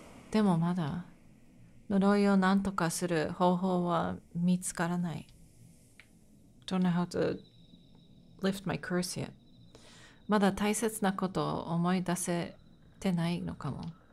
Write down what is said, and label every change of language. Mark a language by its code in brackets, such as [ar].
[ja] でもまだ呪いをなんとかする方法は見つからない。 [en] Don't know how to lift my curse yet. [ja] まだ大切なことを思い出せてないのかも。